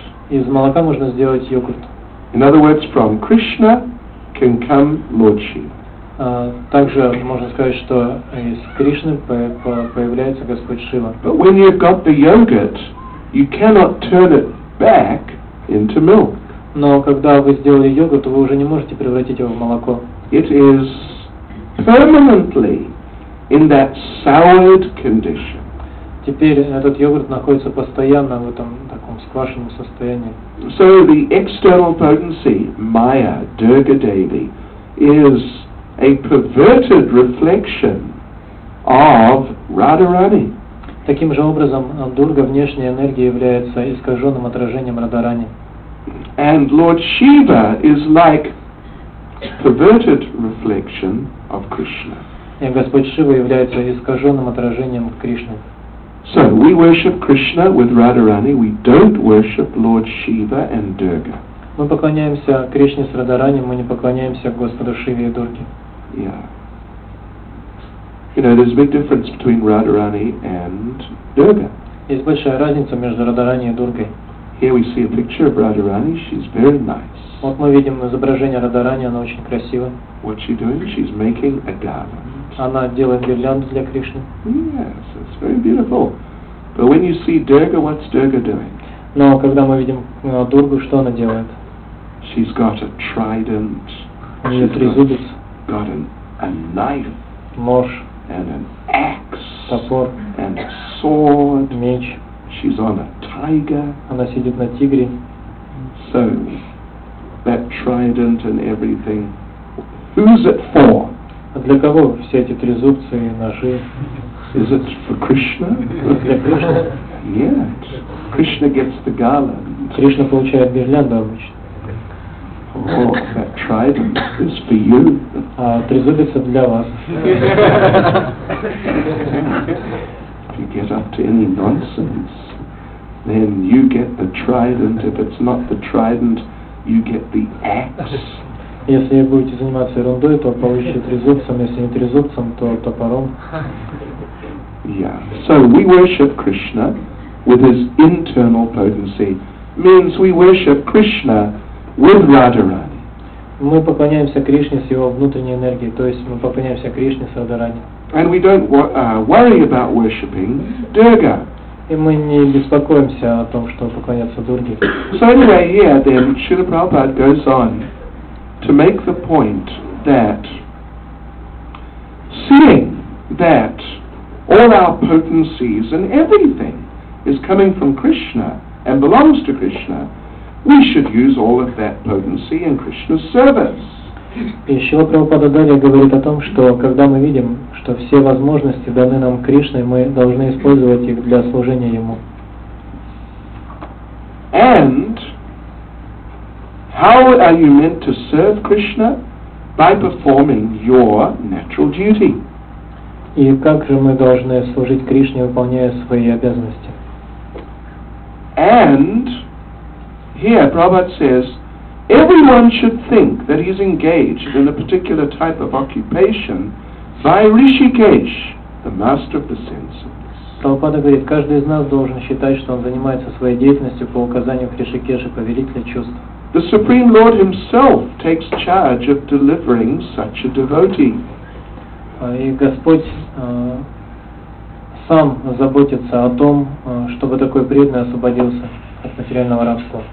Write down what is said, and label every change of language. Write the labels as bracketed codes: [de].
[ru] Из молока можно сделать йогурт. [en] In other words, from Krishna can come Lord Shiva. [ru] Также можно сказать, что из Кришны появляется Господь Шива. [en] But when you've got the yogurt, you cannot turn it back into milk. [ru] Но когда вы сделали йогурт, вы уже не можете превратить его в молоко. [en] It is permanently in that soured condition. [ru] Теперь этот йогурт находится постоянно в этом таком сквашенном состоянии. [en] So the external potency, Maya, Durga Devi, is a perverted reflection of Radharani. [ru] Таким же образом, Дурга, внешняя энергия, является искаженным отражением Радарани. [en] And Lord Shiva is like perverted reflection of Krishna. [ru] И Господь Шива является искаженным отражением Кришны. [en] So we worship Krishna with Radharani, we don't worship Lord Shiva and Durga. [ru] Мы поклоняемся Кришне с Радарани, мы не поклоняемся Господу Шиве и Дурге. [en] Yeah. You know, there's a big difference between Radharani and Durga. [ru] Есть большая разница между Радарани и Дургой. [en] Here we see a picture of Radharani, she's very nice. [ru] Вот мы видим изображение Радарани, она очень красива. [en] What's she doing? She's making a garland. [ru] Она делает гирлянду для Кришны. [en] Yes, it's very beautiful. But when you see Durga, what's Durga doing? [ru] Но когда мы видим Дургу, что она делает? [en] She's got a trident. [ru] У нее трезубец. [en] Got a knife. [ru] Нож. [en] And an axe. [ru] Топор. [en] And a sword. [ru] Меч. [en] She's on a tiger. [ru] Она сидит на тигре. [en] So that trident and everything. Who's it for? [ru] А для кого все эти трезубцы и ножи? [en] Is it for Krishna? [ru] Для Кришны? [en] Yes. Krishna gets the garland. [ru] Кришна получает гирлянду обычно. [en] Oh, that trident is for you. [ru] А трезубец для вас. [en] If you get up to any nonsense, then you get the trident. If it's not the trident, you get the axe. [ru] Если вы будете заниматься ерундой, то получите трезубцем, если не трезубцем, то топором. [en] Yeah. So we worship Krishna with his internal potency. Means we worship Krishna with Radharani. [ru] Мы поклоняемся Кришне с его внутренней энергией, то есть мы поклоняемся Кришне с Радарани. [en] And we don't worry about worshiping Durga. [ru] И мы не беспокоимся о том, что поклоняться Дурге. [en] So anyway, here then Srila Prabhupada goes on to make the point that seeing that all our potencies and everything is coming from Krishna and belongs to Krishna, we should use all of that potency in Krishna's service. [ru] И Шрила Прабхупада далее говорит о том, что когда мы видим, что все возможности даны нам Кришной, мы должны использовать их для служения Ему. [en] And how are you meant to serve Krishna? By performing your natural duty. [ru] И как же мы должны служить Кришне, выполняя свои обязанности? [en] And here Prabhupada says, everyone should think that he's engaged in a particular type of occupation by Rishikesh, the master of the senses. [ru] Прабхупада говорит, каждый из нас должен считать, что он занимается своей деятельностью по указанию Ришикеша, повелителя чувств. [en] The Supreme Lord Himself takes charge of delivering such a devotee. [ru] И Господь сам заботится о том, чтобы такой преданный освободился от материального рабства.